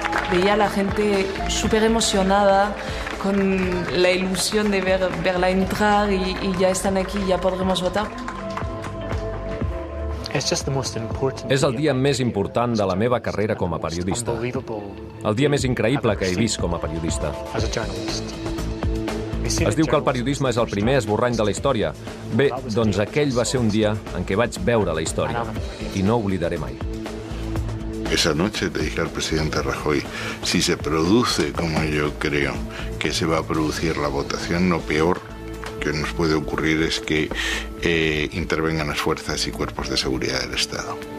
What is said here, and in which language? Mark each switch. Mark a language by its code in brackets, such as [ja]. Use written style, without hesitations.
[es] Veía a la gente súper emocionada, con la ilusión de verla entrar y ya están aquí, ya podremos votar. [ca] És el dia més important de la meva carrera com a periodista. El dia més increïble que he vist com a periodista. Es diu que el periodisme és el primer esborrany de la història. Bé, doncs aquell va ser un dia en què vaig veure la història i no oblidaré mai. [es] Esa noche le dije al presidente Rajoy, si se produce como yo creo que se va a producir la votación, lo peor que nos puede ocurrir es que intervengan las fuerzas y cuerpos de seguridad del Estado.